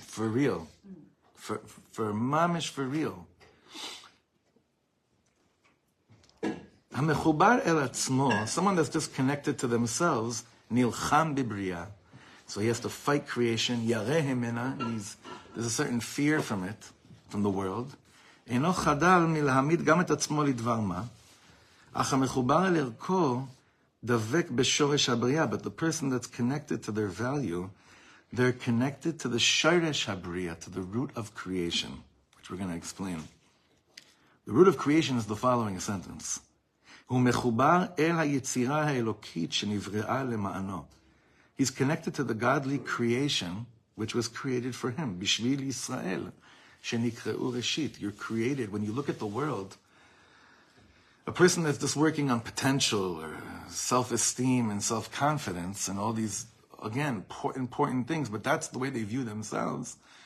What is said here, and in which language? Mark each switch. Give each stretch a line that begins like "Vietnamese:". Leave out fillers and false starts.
English: For real. For mamish, for real.
Hebrew: Hamechubar el atzmo,
English: someone that's just connected to themselves,
Hebrew: nilcham bibriya.
English: So he has to fight creation.
Hebrew: Yarehim mina.
English: There's a certain fear from it, from the world.
Hebrew: אינו חדל מלהעמיד גם את עצמו לדבר מה, אך המחובר אל ערכו דבק בשורש הבריאה.
English: But the person that's connected to their value, they're connected to the
Hebrew: shoresh habriyah,
English: to the root of creation, which we're going to explain. The root of creation is the following sentence.
Hebrew: הוא מחובר אל היצירה האלוקית שנבראה למענו.
English: He's connected to the godly creation, which was created for him,
Hebrew: בשביל ישראל. שנקראו ראשית,
English: you're created. When you look at the world, a person that's just working on potential or self-esteem and self-confidence and all these, again, important things, but that's the way they view themselves.